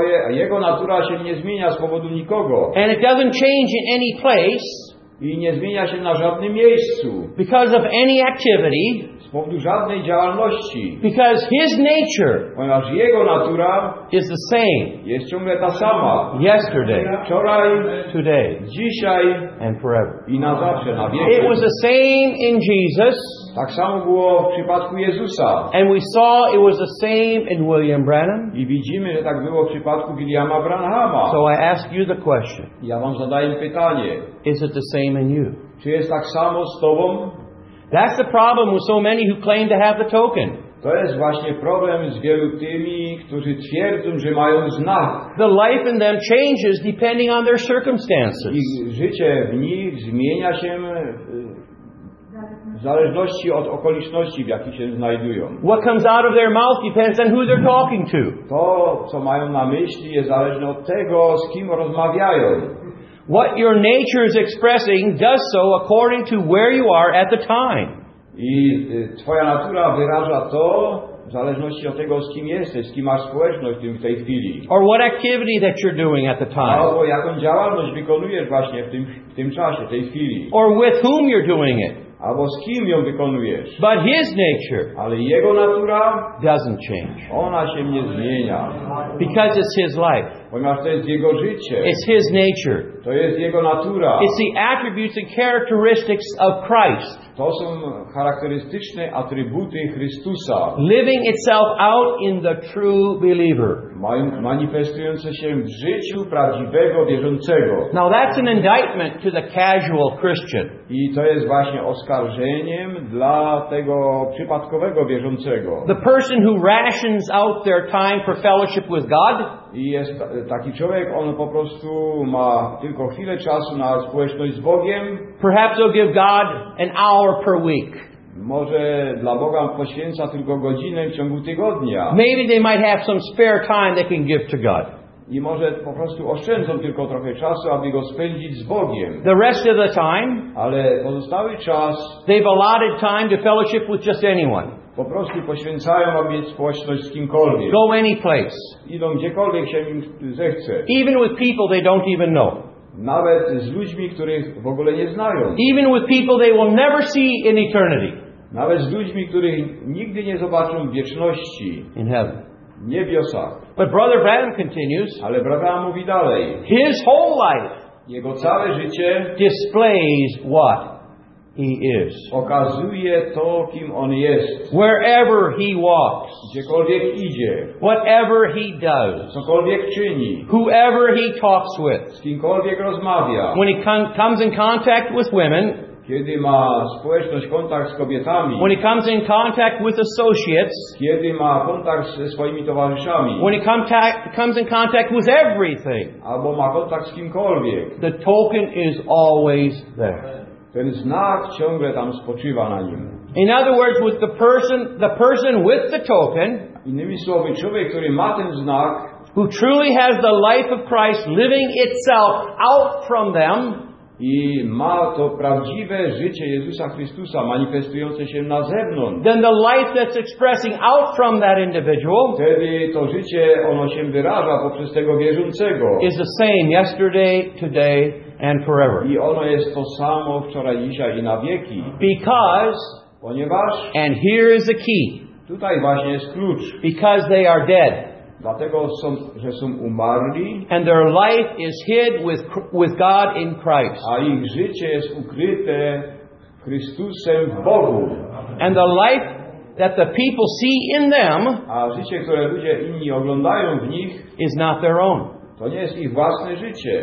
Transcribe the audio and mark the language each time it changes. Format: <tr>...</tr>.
<pl>Jego natura się nie zmienia z powodu nikogo.</pl> <en>And it doesn't change in any place.</en> <pl>I nie zmienia się na żadnym miejscu.</pl> <en>Because of any activity.</en> <pl>Z powodu żadnej działalności.</pl> <en>Because his nature.</en> <pl>Ponieważ jego natura.</pl> <en>Is the same.</en> <pl>Jest ciągle ta sama.</pl> <en>Yesterday.</en> <pl>Wczoraj.</pl> <en>Today.</en> <pl>Dzisiaj.</pl> <en>And forever.</en> <pl>I na zawsze, na wieki.</pl> <en>It was the same in Jesus.</en> <pl>Tak samo było w przypadku Jezusa.</pl> <en>And we saw it was the same in William Branham.</en> <pl>I widzimy, że tak było w przypadku Williama Branhama.</pl> <en>So I ask you the question.</en> <pl>Ja wam zadaję pytanie.</pl> <en>Is it the same in you?</en> <pl>Czy jest tak samo z tobą?</pl> <en>That's the problem with so many who claim to have the token.</en> <pl>To jest właśnie problem z wielu tymi, którzy twierdzą, że mają znak.</pl> <en>The life in them changes depending on their circumstances.</en> <pl>Ich życie w nich zmienia się w zależności od okoliczności, w jakich się znajdują.</pl> <en>What comes out of their mouth depends on who they're talking to.</en> <pl>To, co mają na myśli, jest zależne od tego, z kim rozmawiają.</pl> <en>What your nature is expressing does so according to where you are at the time.</en> <pl>I twoja natura wyraża to w zależności od tego, z kim jesteś, z kim masz społeczność w tej chwili.</pl> <en>Or what activity that you're doing at the time.</en> <pl>Albo jaką działalność wykonujesz właśnie w tym czasie, w tej chwili.</pl> <en>Or with whom you're doing it.</en> <pl>Albo z kim ją wykonujesz.</pl> <en>But his nature,</en> <pl>ale jego natura,</pl> <en>doesn't change.</en> <pl>Ona się nie zmienia.</pl> <en>Because it's his life.</en> <pl>Ponieważ to jest jego życie.</pl> <en>It's his nature.</en> <pl>To jest jego natura.</pl> <en>It's the attributes and characteristics of Christ.</en> <pl>To są charakterystyczne atrybuty Chrystusa.</pl> <en>Living itself out in the true believer.</en> <pl>Manifestujące się w życiu prawdziwego wierzącego.</pl> <en>Now that's an indictment to the casual Christian.</en> <pl>I to jest właśnie oskarżeniem dla tego przypadkowego wierzącego.</pl> <en>The person who rations out their time for fellowship with God.</en> <pl>I jest taki człowiek, on po prostu ma tylko chwilę czasu na społeczność z Bogiem.</pl> <en>Perhaps he'll give God an hour per week.</en> <pl>Może dla Boga poświęca tylko godzinę w ciągu tygodnia.</pl> <en>Maybe they might have some spare time they can give to God.</en> <pl>I może po prostu oszczędzą tylko trochę czasu, aby go spędzić z Bogiem.</pl> <en>The rest of the time,</en> <pl>ale pozostały czas,</pl> <en>they've allotted time to fellowship with just anyone.</en> <pl>Po prostu poświęcają, aby mieć społeczność z kimkolwiek.</pl> <en>Go any place.</en> <pl>Idą gdziekolwiek się im zechce.</pl> <en>Even with people they don't even know.</en> <pl>Nawet z ludźmi, których w ogóle nie znają.</pl> <en>Even with people they will never see in eternity.</en> <pl>Nawet z ludźmi, których nigdy nie zobaczą w wieczności.</pl> <en>In heaven.</en> <pl>W niebiosach.</pl> <en>But Brother Branham continues.</en> <pl>Ale Brother Branham mówi dalej.</pl> <en>His whole life.</en> <pl>Jego całe życie.</pl> <en>Displays what? He is.</en> <pl>Pokazuje to, kim on jest.</pl> <en>Wherever he walks.</en> <pl>Gdziekolwiek idzie.</pl> <en>Whatever he does.</en> <pl>Cokolwiek czyni.</pl> <en>Whoever he talks with.</en> <pl>Z kimkolwiek rozmawia.</pl> <en>When he comes in contact with women.</en> <pl>Kiedy ma społeczność, kontakt z kobietami.</pl> <en>When he comes in contact with associates.</en> <pl>Kiedy ma kontakt ze swoimi towarzyszami.</pl> <en>When he comes in contact with everything.</en> <pl>Albo ma kontakt z kimkolwiek.</pl> <en>The token is always there.</en> <pl>Ten znak ciągle tam spoczywa na nim.</pl> <en>In other words, with the person with the token,</en> <pl>innymi słowy, człowiek, który ma ten znak,</pl> <en>who truly has the life of Christ living itself out from them,</en> <pl>i ma to prawdziwe życie Jezusa Chrystusa manifestujące się na zewnątrz,</pl> <en>then the life that's expressing out from that individual,</en> <pl>wtedy to życie ono się wyraża poprzez tego wierzącego,</pl> <en>is the same yesterday, today, and forever.</en> <pl>I ono jest to samo wczoraj, dzisiaj i na wieki.</pl> <en>Because,</en> <pl>ponieważ,</pl> <en>and here is the key,</en> <pl>tutaj właśnie jest klucz,</pl> <en>because they are dead.</en> <pl>Dlatego są, że są umarli,</pl> <en>and their life is hid with God in Christ.</en> <pl>A ich życie jest ukryte Chrystusem w Bogu.</pl> <en>And the life that the people see in them,</en> <pl>a życie, które ludzie inni oglądają w nich,</pl> <en>is not their own.</en> <pl>To nie jest ich własne życie.</pl>